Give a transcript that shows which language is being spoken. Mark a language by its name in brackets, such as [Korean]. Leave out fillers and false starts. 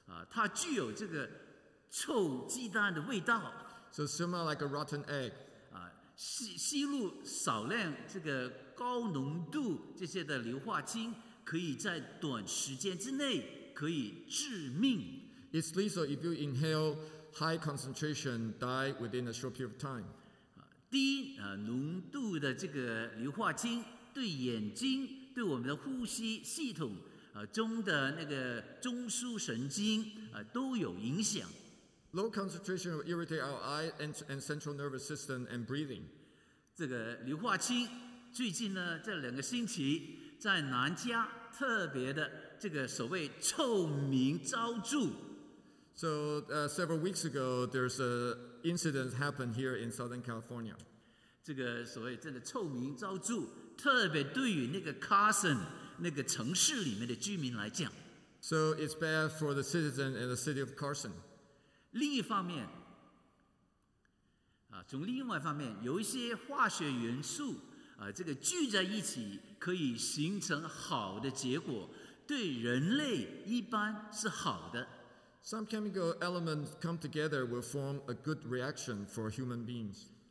[Chinese] 它具有这个臭鸡蛋的味道。 [English] So similar like a rotten egg. [Chinese] 吸入少量这个高浓度这些的硫化氢，可以在短时间之内可以致命。 [English] It's lethal if you inhale high concentration, die within a short period of time. [Chinese] 低浓度的这个硫化氢对眼睛、对我们的呼吸系统中的那个中枢神经都有影响。 [English] Low concentration will irritate our eye and central nervous system and breathing. [Chinese] 这个硫化氢最近呢，这两个星期在南加特别的这个所谓臭名昭著。 [English] So several weeks ago, there's an incident happened here in Southern California. [Chinese] 这个所谓真的臭名昭著，特别对于那个 Carson 那个城市里面的居民来讲。 [English] So it's bad for the citizen in the city of Carson. [Chinese] 另一方面从另外一方面有一些化学元素这个聚在一起可以形成好的结果，对人类一般是好的。 [English] Some chemical elements come together will form a good reaction for human beings.